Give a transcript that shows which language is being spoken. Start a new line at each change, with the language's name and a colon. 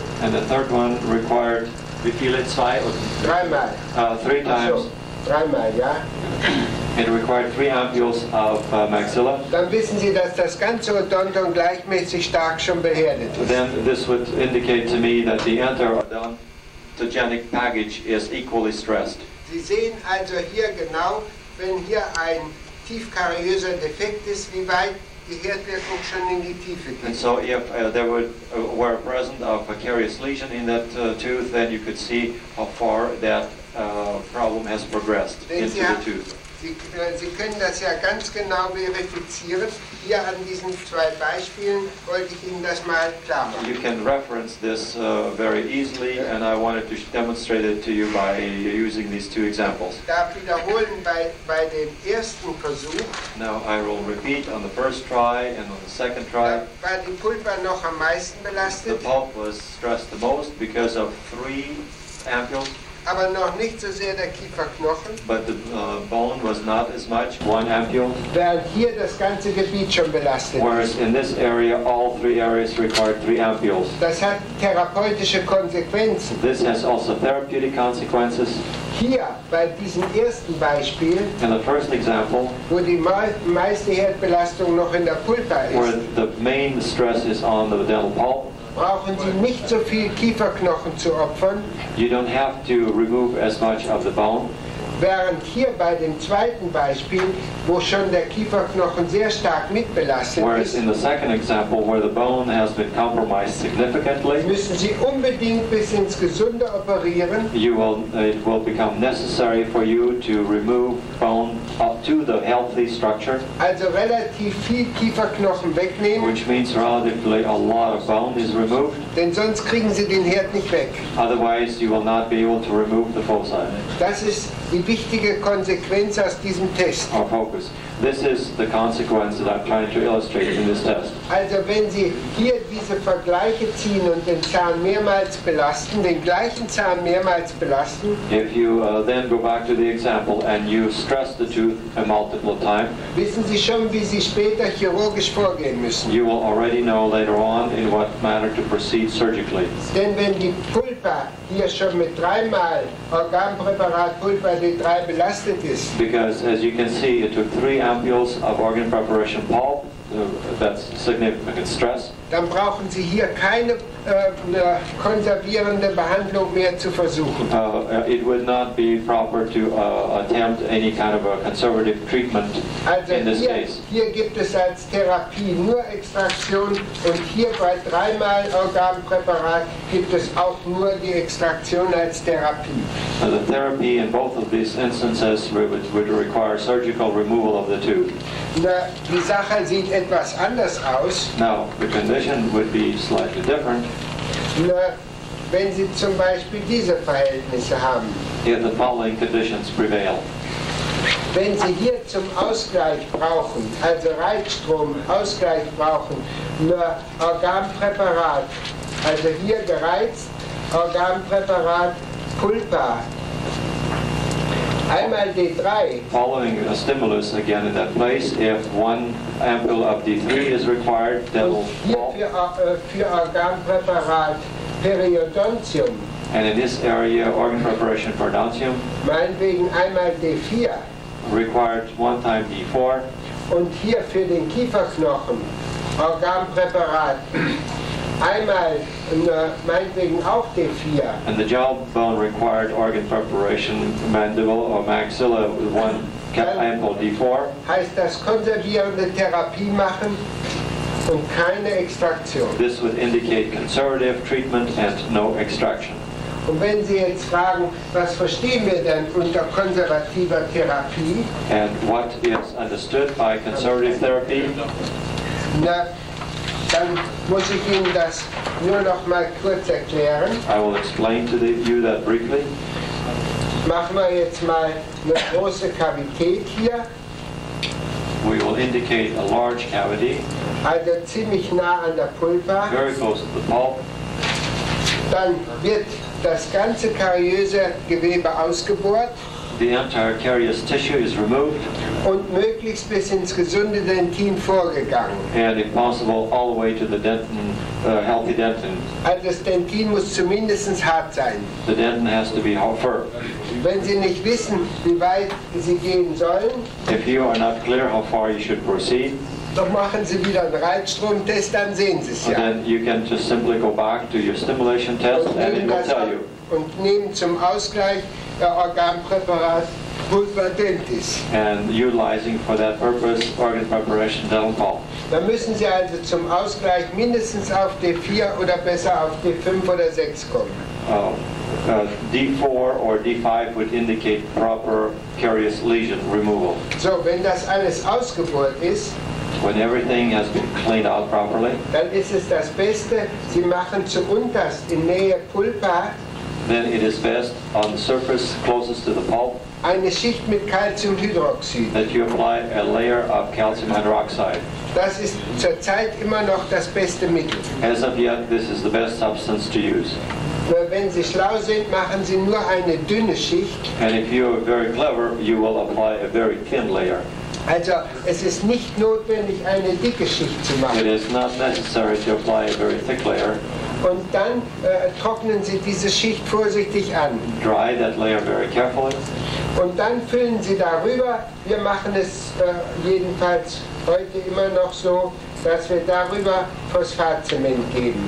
English: And the third one required,
German: wie viele, zwei? Dreimal.
English: Three times.
German: Dreimal, ja.
English: It required three ampules of maxilla.
German: Dann wissen Sie, dass das ganze Odonton gleichmäßig stark schon beherdet ist.
English: Then this would indicate to me that the enterodontogenic package is equally stressed.
German: Sie sehen also hier genau, wenn hier ein tiefkariöser Defekt ist, wie weit die Herdwirkung schon in die Tiefe geht.
English: And so if there were present of a carious lesion in that tooth, then you could see how far that problem has progressed into the tooth.
German: Sie können das ja ganz genau verifizieren. Hier an diesen zwei Beispielen wollte ich Ihnen das mal klar machen.
English: You can reference this very easily, and I wanted to demonstrate it to you by using these two examples.
German: Ich darf wiederholen bei dem ersten Versuch.
English: Now I will repeat on the first try and on the second try.
German: Da war die Pulpa noch am meisten belastet.
English: The pulp was stressed the most because of three ampules.
German: Aber noch nicht so sehr der Kieferknochen.
English: But the bone was not as much, one ampule.
German: Weil hier das ganze Gebiet schon belastet.
English: Whereas in this area, all three areas required three ampules.
German: Das hat therapeutische Konsequenzen.
English: This has also therapeutic consequences.
German: Hier, bei diesem ersten Beispiel,
English: in the first example,
German: wo die meiste Herdbelastung noch in der Pulpa ist,
English: where the main stress is on the dental pulp,
German: brauchen Sie nicht so viel Kieferknochen zu opfern.
English: You don't have to remove as much of the bone.
German: Während hier bei dem zweiten Beispiel, wo schon der Kieferknochen sehr stark mitbelastet ist,
English: whereas in the second example where the bone has been compromised significantly,
German: müssen Sie unbedingt bis ins Gesunde operieren.
English: It will become necessary for you to remove bone up to the healthy structure.
German: Also relativ viel Kieferknochen wegnehmen.
English: Which means relatively a lot of bone is removed.
German: Denn sonst kriegen Sie den Herd nicht weg.
English: Otherwise you will not be able to remove the foci.
German: Das ist die wichtige Konsequenz aus diesem Test.
English: Our focus. This is the consequence that I'm trying to illustrate in this test.
German: Also wenn Sie hier diese Vergleiche ziehen und den Zahn mehrmals belasten, den gleichen Zahn mehrmals belasten,
English: if you then go back to the example and you stress the tooth a multiple time,
German: wissen Sie schon, wie Sie später chirurgisch vorgehen müssen.
English: You will already know later on in what manner to proceed surgically.
German: Denn wenn die Pulpa hier schon mit dreimal Organpräparat Pulpa D3 belastet ist,
English: because as you can see, it took three ampules of organ preparation pulp, that's significant stress.
German: Dann brauchen Sie hier keine konservierende Behandlung mehr zu versuchen.
English: It would not be proper to attempt any kind of a conservative treatment also in this case.
German: Hier gibt es als Therapie nur Extraktion und hier bei dreimal Organpräparat gibt es auch nur die Extraktion als Therapie.
English: The therapy in both of these instances would require surgical removal of the tooth.
German: Na, die Sache sieht etwas anders aus.
English: Now, the condition would be slightly different.
German: Na, wenn Sie zum Beispiel diese Verhältnisse haben.
English: If the following conditions prevail.
German: Wenn Sie hier zum Ausgleich brauchen, also Reizstrom, Ausgleich brauchen, nur Organpräparat, also hier gereizt, Organpräparat, Pulpa, einmal D3.
English: Following a stimulus again in that place, if one ampule of D3 is required, then
German: für Organpräparat Periodontium.
English: And in this area, organ preparation for Periodontium.
German: Meinetwegen einmal D4.
English: Required one time D4.
German: Und hier für den Kieferknochen, Organpräparat, einmal, meinetwegen auch D4.
English: And the jawbone required organ preparation, mandible or maxilla, one ampule D4.
German: Heißt das konservierende Therapie machen? Und keine Extraktion.
English: This would indicate conservative treatment and no extraction.
German: Und wenn Sie jetzt fragen, was verstehen wir denn unter konservativer Therapie?
English: And what is understood by conservative therapy?
German: Na, dann muss ich Ihnen das nur noch mal kurz erklären.
English: I will explain to you that briefly.
German: Machen wir jetzt mal eine große Kavität hier.
English: we will indicate a large cavity.
German: Also ziemlich nah an der Pulpa.
English: Very close to the pulp.
German: Dann wird das ganze kariöse Gewebe ausgebohrt.
English: The entire carious tissue is removed.
German: Und möglichst bis ins gesunde Dentin vorgegangen.
English: And if possible, all the way to the dentin, healthy dentin.
German: Also das Dentin muss zumindest hart sein.
English: The dentin has to be firm.
German: Wenn Sie nicht wissen, wie weit Sie gehen sollen.
English: If you are not clear how far you should proceed.
German: Doch machen Sie wieder einen Reizstromtest, dann sehen Sie es ja.
English: Then you can just simply go back to your stimulation test and it will tell you.
German: Und nehmen zum Ausgleich der Organpräparat Pulpa Dentis.
English: And utilizing for that purpose organ preparation dental pulp.
German: Dann müssen Sie also zum Ausgleich mindestens auf D4 oder besser auf D5 oder 6 kommen.
English: D4 or D5 would indicate proper carious lesion removal.
German: So, wenn das alles ausgebohrt ist,
English: when everything has been cleaned out properly,
German: dann ist es das Beste, Sie machen zu unterst in Nähe Pulpa,
English: then it is best on the surface closest to the pulp,
German: eine Schicht mit Calciumhydroxid,
English: that you apply a layer of calcium hydroxide.
German: Das ist zurzeit immer noch das beste Mittel.
English: As of yet, this is the best substance to use.
German: Wenn Sie schlau sind, machen Sie nur eine dünne Schicht.
English: And if you are very clever, you will apply a very thin layer.
German: Also, es ist nicht notwendig, eine dicke Schicht zu machen.
English: It is not necessary to apply a very thick layer.
German: Und dann trocknen Sie diese Schicht vorsichtig an.
English: Dry that layer very carefully.
German: Und dann füllen Sie darüber, wir machen es jedenfalls heute immer noch so, dass wir darüber Phosphatzement geben.